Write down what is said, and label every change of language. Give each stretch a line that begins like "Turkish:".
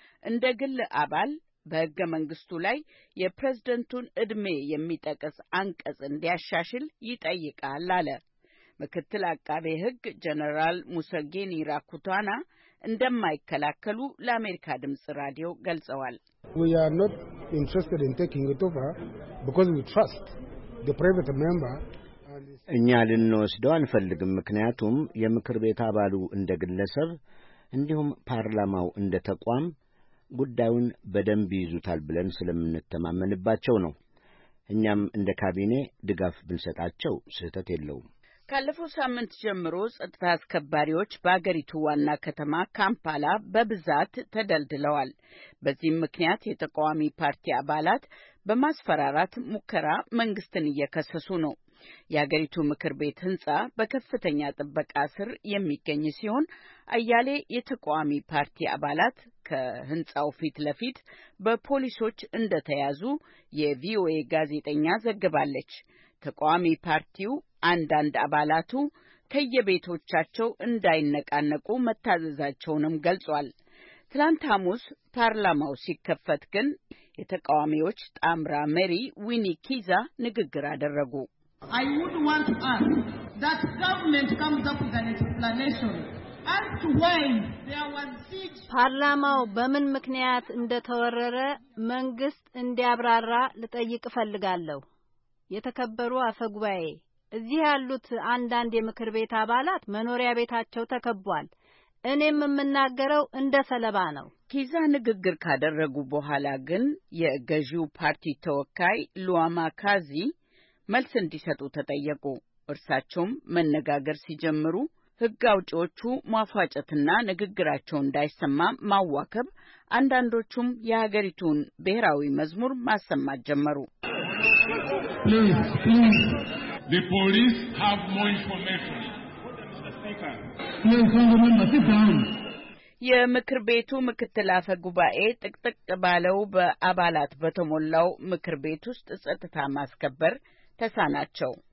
Amharic: እንደ ግል አባል በህገ መንግስቱ ላይ የፕሬዝዳንቱን እድሜ የሚጠቅስ አንቀጽ እንዲያሻሽል ይጠይቃል አለ። ምክትል አቃቤ ህግ ጀነራል ሙሰጌኒ ራኩታና እንደማይከላከሉ ለአሜሪካ ድምጽ ራዲዮ ገልጸዋል።
English: We are not interested in taking it over because we trust the private member.
Amharic: እኛ ልንወስደው አንፈልግም፣ ምክንያቱም የምክር ቤት አባሉ እንደ ግለሰብ እንዲሁም ፓርላማው እንደ ተቋም ጉዳዩን በደንብ ይዙታል ብለን ስለምንተማመንባቸው ነው። እኛም እንደ ካቢኔ ድጋፍ ብንሰጣቸው ስህተት የለውም። ካለፈው ሳምንት ጀምሮ ጸጥታ አስከባሪዎች በአገሪቱ ዋና ከተማ ካምፓላ በብዛት ተደልድለዋል። በዚህም ምክንያት የተቃዋሚ ፓርቲ አባላት በማስፈራራት ሙከራ መንግስትን እየከሰሱ ነው። ያገሪቱ ምክር ቤት ህንጻ በከፍተኛ ጥበቃ ስር የሚገኝ ሲሆን አያሌ የተቃዋሚ ፓርቲ አባላት ከህንጻው ፊት ለፊት በፖሊሶች እንደተያዙ የቪኦኤ ጋዜጠኛ ዘግባለች። ተቃዋሚ ፓርቲው አንዳንድ አባላቱ ከየቤቶቻቸው እንዳይነቃነቁ መታዘዛቸውንም ገልጿል። ትላንት አሙስ ፓርላማው ሲከፈት ግን የተቃዋሚዎች ጣምራ መሪ ዊኒ ኪዛ ንግግር አደረጉ።
English: I would want to ask that government comes up with an explanation as to why there was siege.
Amharic: ፓርላማው በምን ምክንያት እንደተወረረ መንግስት እንዲያብራራ ልጠይቅ ፈልጋለሁ። የተከበሩ አፈጉባኤ፣ እዚህ ያሉት አንዳንድ የምክር ቤት አባላት መኖሪያ ቤታቸው ተከቧል። እኔም የምናገረው እንደ ሰለባ ነው። ኪዛ ንግግር ካደረጉ በኋላ ግን የገዢው ፓርቲ ተወካይ ሉዋማ ካዚ መልስ እንዲሰጡ ተጠየቁ። እርሳቸውም መነጋገር ሲጀምሩ ህግ አውጪዎቹ ማፋጨትና ንግግራቸው እንዳይሰማ ማዋከብ፣ አንዳንዶቹም የሀገሪቱን ብሔራዊ መዝሙር ማሰማት ጀመሩ።
English: The police have more information.
Amharic: የምክር ቤቱ ምክትል አፈ ጉባኤ ጥቅጥቅ ባለው በአባላት በተሞላው ምክር ቤት ውስጥ ጸጥታ ማስከበር ተሳናቸው።